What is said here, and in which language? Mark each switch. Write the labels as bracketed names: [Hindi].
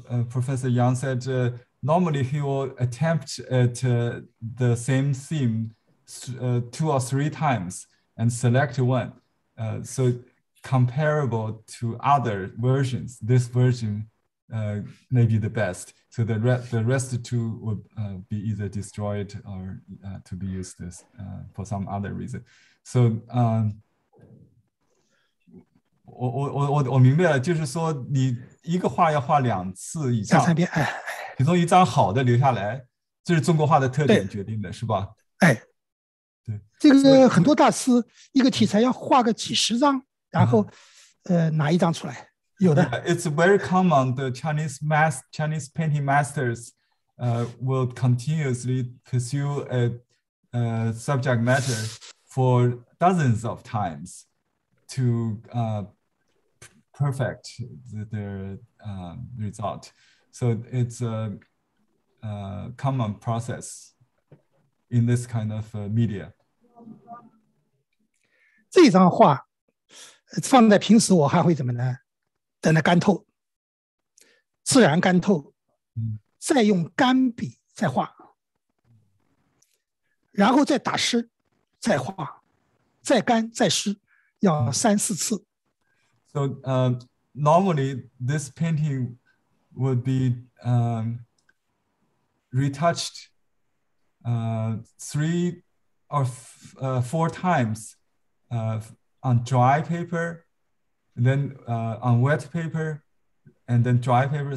[English] Professor Yang said normally, he will attempt at the same theme two or three times and select one. So comparable to other versions, this version may be the best. So the rest two would be either destroyed or to be used as, for some other reason. [Chinese] So 我明白了，就是说你一个画要画两次以上。两三遍，哎。其中一张好的留下来，这是中国画的特点决定的，是吧？哎，对，这个很多大师一个题材要画个几十张，然后，拿一张出来，有的。 [English] Yeah, it's very common. The Chinese painting masters, will continuously pursue a subject matter for dozens of times to perfect their result. So it's a common process in this kind of media. [Chinese] 这张画放在平时我还会怎么呢？等它干透，自然干透，再用干笔再画，然后再打湿，再画，再干再湿，要三四次。 [English] So normally this painting. Would be retouched three or four times on dry paper, then on wet paper, and then dry paper.